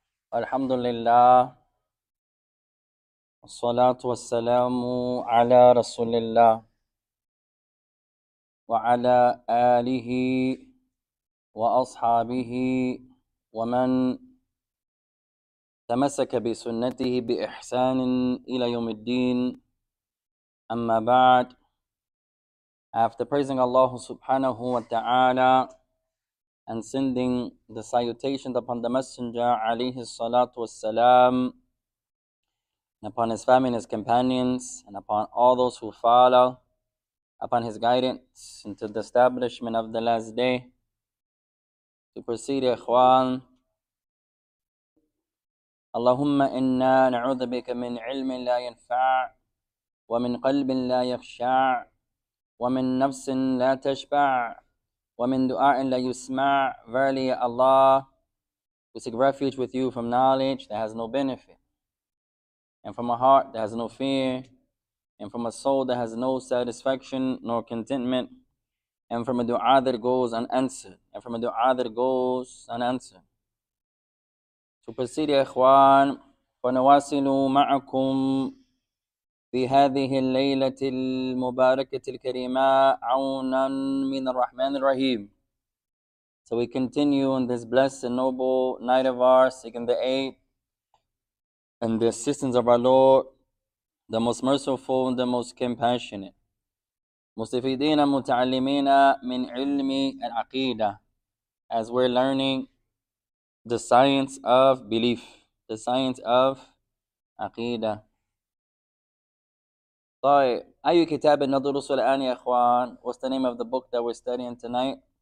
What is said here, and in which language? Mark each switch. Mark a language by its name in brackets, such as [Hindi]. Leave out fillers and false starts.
[Arabic] الحمد لله والصلاة والسلام على رسول الله وعلى آله وأصحابه ومن تمسك بسنته بإحسان إلى يوم الدين. أما بعد, [English] after praising Allah subhanahu wa ta'ala and sending the salutations upon the Messenger alayhi salatu wassalam, and upon his family and his companions, and upon all those who follow, upon his guidance into the establishment of the last day, to proceed, ikhwan. [Arabic] Allahumma inna na'udhu bika min ilmin la yanfa' wa min qalbin la yakhsha' ومن نفس لا تشبع ومن دعاء لا يسمع. [English] Verily, Allah, we seek refuge with you from knowledge that has no benefit, and from a heart that has no fear, and from a soul that has no satisfaction nor contentment, and from a dua that goes unanswered, and from a dua that goes unanswered. To proceed, [Arabic] ya ikhwan, فَنَوَاسِلُوا مَعَكُمْ في هذه الليلة المباركة الكريمة عونا من الرحمن الرحيم. [English] So we continue on this blessed and noble night of ours, seeking the aid and the assistance of our Lord, the most merciful and the most compassionate. [Arabic] مستفيدين متعلمين من علم العقيدة. [English] As we're learning the science of belief, the science of عقيدة. [Arabic] طيب أي كتاب ندرس الآن يا إخوان؟ [English] What's the name of the book that we're studying tonight?